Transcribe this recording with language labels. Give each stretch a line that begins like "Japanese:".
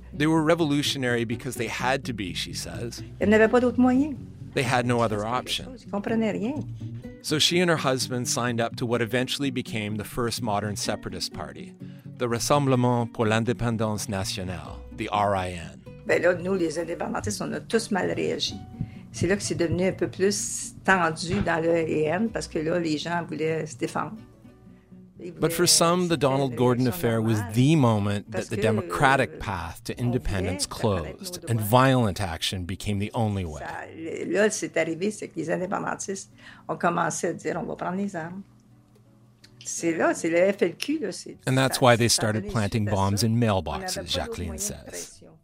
English: They were revolutionary because they had to be, she says.
French: Il n'y avait pas d'autre moyen.
English: They had no other option.
French: Ils comprenaient rien.
English: So she and her husband signed up to what eventually became the first modern separatist party, the Rassemblement pour l'Indépendance Nationale, the RIN.
French: Ben là, nous, les indépendantistes, on a tous mal réagi. C'est là que c'est devenu un peu plus tendu dans le RIN parce que là, les gens voulaient se défendre.
English: But for some, the Donald Gordon affair was the moment that the democratic path to independence closed, and violent action became the only way.
French: Là, c'est arrivé, c'est que les indépendantistes ont commencé à dire, on va prendre les armes. C'est là, c'est le FLQ.
English: And that's why they started planting bombs in mailboxes, Jacqueline says.